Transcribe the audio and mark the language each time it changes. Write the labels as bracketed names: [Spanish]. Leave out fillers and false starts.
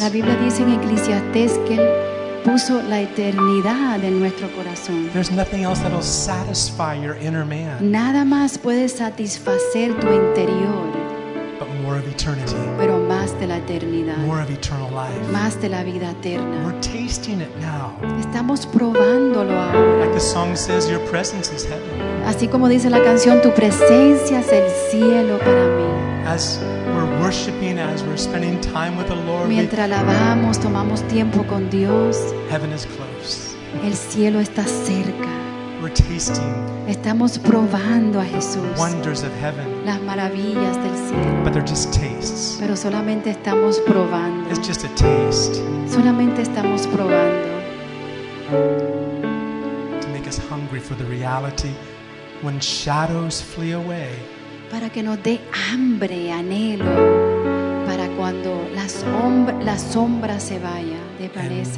[Spanish] La Biblia dice en Eclesiastés que él puso la eternidad en nuestro corazón. [English] There's nothing else that'll satisfy your inner man. [Spanish] Nada más puede satisfacer tu interior. [English] But more of eternity. [Spanish] Pero más de la eternidad. [English] More of eternal life. [Spanish] Más de la vida eterna. [English] We're tasting it now. [Spanish] Estamos probándolo ahora. [English] Like the song says, your presence is heaven. [Spanish] Así como dice la canción, tu presencia es el cielo para mí. [English] As we're worshiping, as we're spending time with the Lord, [Spanish] mientras alabamos, tomamos tiempo con Dios. [English] Heaven is close. [Spanish] El cielo está cerca. [English] We're tasting. [Spanish] Estamos probando a Jesús. [English] Wonders of heaven. [Spanish] Las maravillas del cielo. [English] But they're just tastes. [Spanish] Pero solamente estamos probando. [English] It's just a taste. [Spanish] Solamente estamos probando. [English] To make us hungry for the reality when shadows flee away. [Spanish] Para que nos dé hambre, anhelo para cuando la sombra se vaya de pereza.